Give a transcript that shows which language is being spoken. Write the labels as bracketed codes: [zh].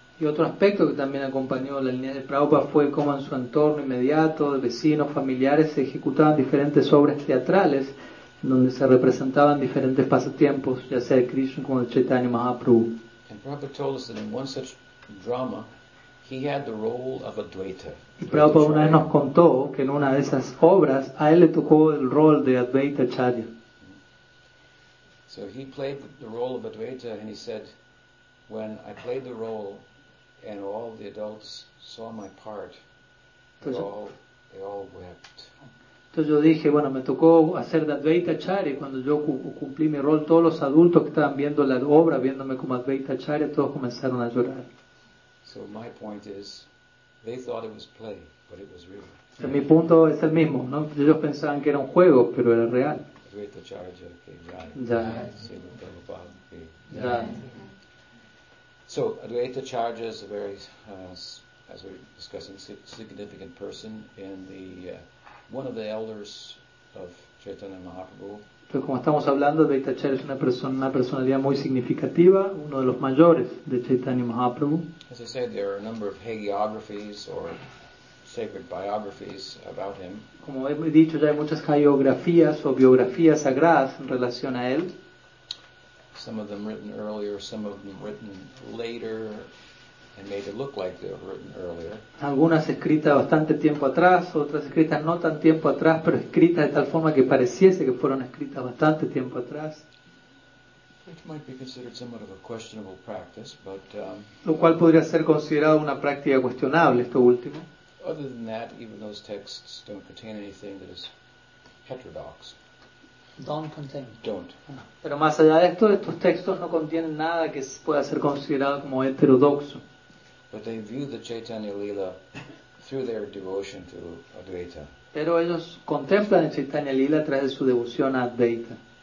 [es] Y otro aspecto que también acompañó la línea de Prabhupada fue cómo en su entorno inmediato, de vecinos, familiares, se ejecutaban diferentes obras teatrales en donde se representaban diferentes pasatiempos, ya sea de Krishna como de Chaitanya Mahaprabhu. [en] And Prabhupada told us that in one such drama, he had the role of Advaita. [es] Y Prabhupada una vez nos contó que en una de esas obras a él le tocó el rol de Advaita Acharya. [en] So he played the role of Advaita and he said, when I played the role and all the adults saw my part, they all wept. [es] Entonces yo dije, bueno, me tocó hacer de Advaita Acharya. Cuando yo cumplí mi rol, todos los adultos que estaban viendo la obra, viéndome como Advaita Acharya, todos comenzaron a llorar. [en] So my point is, they thought it was play, but it was real. [es] Mi punto es el mismo, ¿no? Ellos pensaban que era un juego, pero era real. [en] Advaita Acharya, okay, so Advaita Acharya is a very, as we're discussing, significant person in the one of the elders of Chaitanya Mahaprabhu. [es] Pero como estamos hablando, Advaita Acharya es una personalidad muy significativa, uno de los mayores de Chaitanya Mahaprabhu. [en] As I said, there are a number of hagiographies or sacred biographies about him. [es] Como he dicho, ya hay muchas hagiografías o biografías sagradas en relación a él. [en] Some of them written earlier, some of them written later, and made it look like they were written earlier. [es] Algunas escritas bastante tiempo atrás, otras escritas no tan tiempo atrás, pero escritas de tal forma que pareciese que fueron escritas bastante tiempo atrás. [en] Which might be considered somewhat of a questionable practice, but. [es] Lo cual podría ser considerado una práctica cuestionable, esto último. [en] Other than that, even those texts don't contain anything that is heterodox. Don't contain. Don't. [es] Pero más allá de esto, estos textos no contienen nada que pueda ser considerado como heterodoxo. [en] But they view the Chaitanya Lila through their devotion to Advaita. [es] Pero ellos contemplan el Chaitanya Lila a través de su devoción a Advaita.